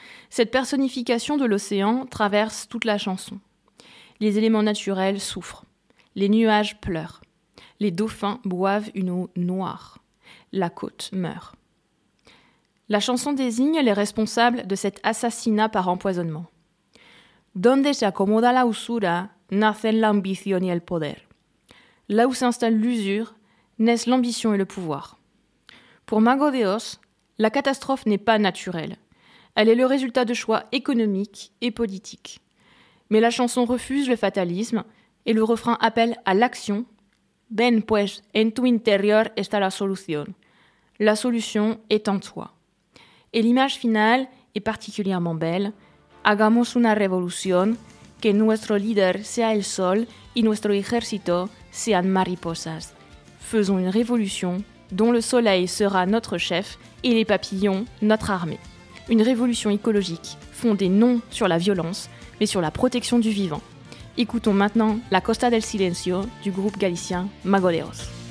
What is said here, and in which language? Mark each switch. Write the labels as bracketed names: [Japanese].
[French] Cette personnification de l'océan traverse toute la chanson. Les éléments naturels souffrent. Les nuages pleurent. Les dauphins boivent une eau noire. La côte meurt. La chanson désigne les responsables de cet assassinat par empoisonnement. [Spanish] Donde se acomoda la usura, nacen la ambición y el poder. [French] Là où s'installe l'usure, naissent l'ambition et le pouvoir. Pour Mago de Oz, la catastrophe n'est pas naturelle. Elle est le résultat de choix économiques et politiques. Mais la chanson refuse le fatalisme. Et le refrain appelle à l'action. [Spanish] Ben pues, en tu interior está la solución. [French] La solution est en toi. Et l'image finale est particulièrement belle. [Spanish] Hagamos una revolución, que nuestro líder sea el sol y nuestro ejército sean mariposas. [French] Faisons une révolution dont le soleil sera notre chef et les papillons notre armée. Une révolution écologique fondée non sur la violence, mais sur la protection du vivant. Écoutons maintenant La Costa del Silencio du groupe galicien Mago de Oz.